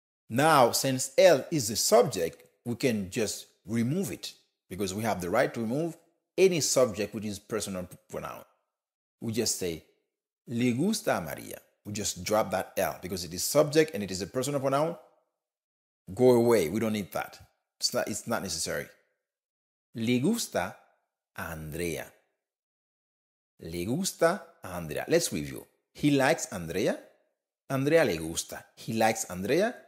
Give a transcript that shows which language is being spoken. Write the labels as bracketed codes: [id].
[en] Now, since él is the subject, we can just remove it because we have the right to remove any subject which is personal pronoun. We just say, [es] le gusta a María. [en] We just drop that L because it is subject and it is a personal pronoun. Go away. We don't need that. It's not necessary. [es] Le gusta a Andrea. Le gusta a Andrea. [en] Let's review. He likes Andrea. [es] Andrea le gusta. [en] He likes Andrea.